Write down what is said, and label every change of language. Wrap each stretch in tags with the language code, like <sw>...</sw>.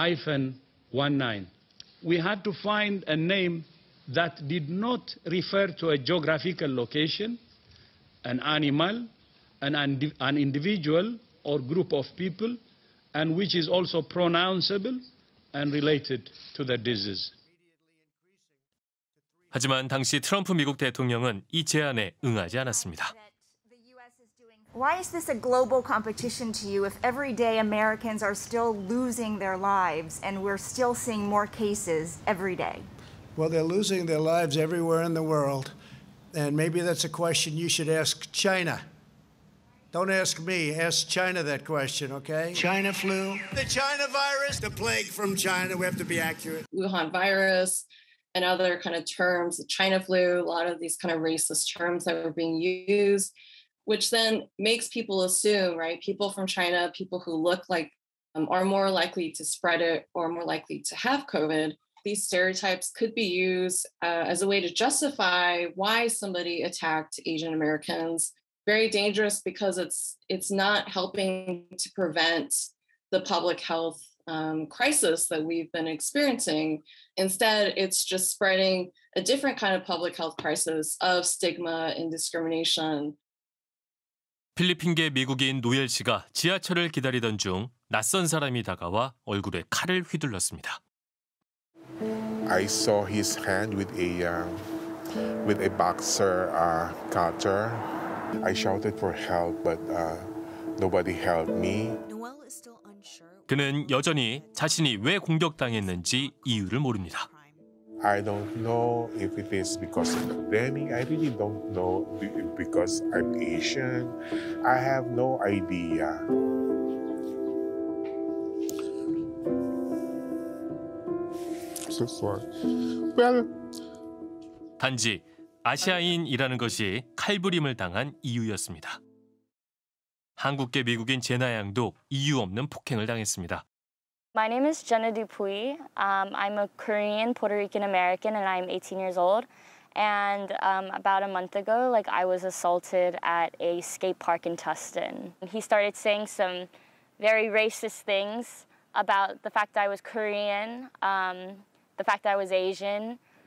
<en>COVID-19. We had to find a name that did not refer to a geographical location, an animal, an individual or group of people, and which is also pronounceable and related to the disease.</en> <ko>하지만 당시 트럼프 미국 대통령은 이 제안에 응하지 않았습니다.</ko> <en>Why is this a global competition to you if everyday Americans are still losing their lives and we're still seeing more cases every day? Well, they're losing their lives everywhere in the world. And maybe that's a question you should ask China. Don't ask me. Ask China that question, okay? China flu. The China virus. The plague from China. We have to be accurate. Wuhan virus and other kind of terms. China flu. A lot of these kind of racist terms that were being used, which then makes people assume, right? People from China, people who look like are more likely to spread it or more likely to have COVID. These stereotypes could be used as a way to justify why somebody attacked Asian Americans. Very dangerous because it's not helping to prevent the public health crisis that we've been experiencing. Instead, it's just spreading a different kind of public health crisis of stigma and discrimination.</en> <ko>필리핀계 미국인 노엘 씨가 지하철을 기다리던 중 낯선 사람이 다가와 얼굴에 칼을 휘둘렀습니다.</ko> <en>I saw his hand with a boxer cutter. I shouted for help, but nobody helped me.</en> <ko>그는 여전히 자신이 왜 공격당했는지 이유를 모릅니다.</ko> <en>I don't know if it is because of the pandemic. I really don't know because I'm Asian. I have no idea. so sorry. Well,</en> <ko>단지 아시아인이라는 것이 칼부림을 당한 이유였습니다. 한국계 미국인 제나 양도 이유 없는 폭행을 당했습니다.</ko> <en>My name is Jenna Dupuy. I'm a Korean Puerto Rican American and I'm 18 years old. And about a month ago, like I was assaulted at a skate park in Tustin. He started saying some very racist things about the fact that I was Korean, the fact that I was Asian.</en>